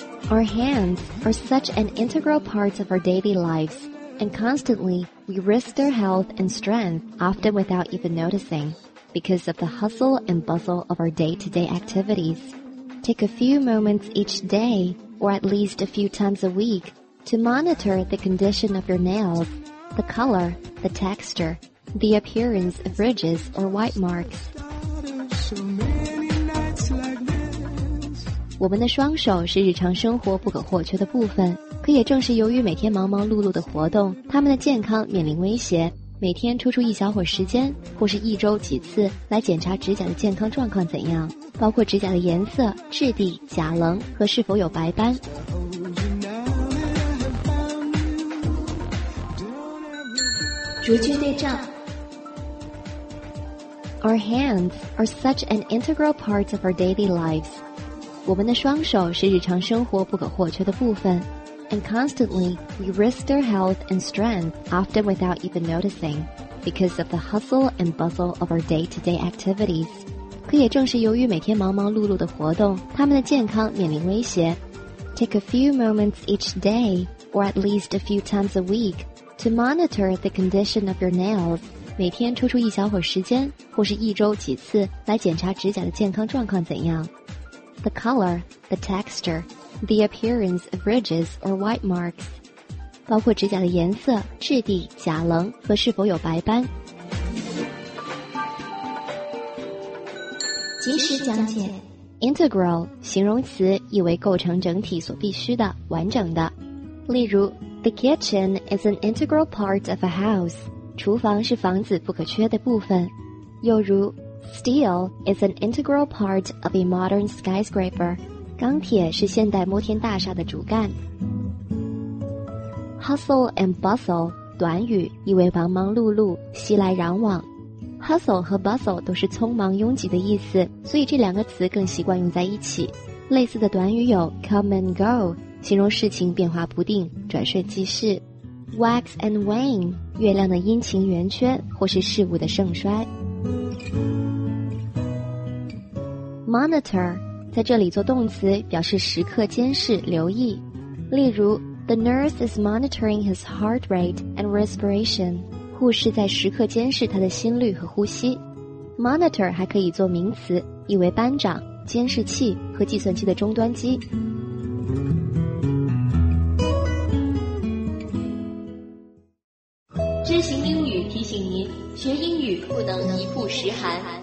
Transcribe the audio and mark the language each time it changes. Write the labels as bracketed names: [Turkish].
[English] Our hands are such an integral part of our daily lives, and constantly we risk their health and strength, often without even noticing, because of the hustle and bustle of our day-to-day activities. Take a few moments each day, or at least a few times a week, to monitor the condition of your nails, the color, the texture, the appearance of ridges or white marks. [Chinese] 我们的双手是日常生活不可或缺的部分，可也正是由于每天忙忙碌碌的活动，他们的健康面临威胁。每天抽出一小会时间，或是一周几次来检查指甲的健康状况怎样，包括指甲的颜色、质地、甲棱和是否有白斑。逐句对照。 [English] Our hands are such an integral part of our daily lives. [Chinese] 我们的双手是日常生活不可或缺的部分 [English] ,and constantly we risk their health and strength often without even noticing, because of the hustle and bustle of our day-to-day activities. [Chinese] 可也正是由于每天忙忙碌碌的活动，他们的健康面临威胁。 [English] Take a few moments each day, or at least a few times a week, to monitor the condition of your nails. [Chinese] 每天抽出一小会时间，或是一周几次来检查指甲的健康状况怎样。 [English] The color, the texture, the appearance of ridges or white marks. [Chinese] 包括指甲的颜色、质地、甲棱和是否有白斑。及时讲解。 Integral, 形容词意为构成整体所必须的、完整的。 [English] 例如 ,The kitchen is an integral part of a house. [Chinese] 厨房是房子不可缺的部分。 [English] 又如Steel is an integral part of a modern skyscraper. [Chinese] 钢铁是现代摩天大厦的主干。 Hustle and bustle, 短语意为忙忙碌碌、熙来攘往。 Hustle 和 bustle 都是匆忙拥挤的意思，所以这两个词更习惯用在一起。类似的短语有 come and go， 形容事情变化不定，转瞬即逝。 Wax and wane， 月亮的阴晴圆缺，或是事物的盛衰。 Monitor， 在这里做动词，表示时刻监视、留意。 [English] 例如 ，The nurse is monitoring his heart rate and respiration。 [Chinese] 护士在时刻监视他的心率和呼吸。 Monitor 还可以做名词，意为班长、监视器和计算机的终端机。知行英语提醒您，学英语不能一步十寒。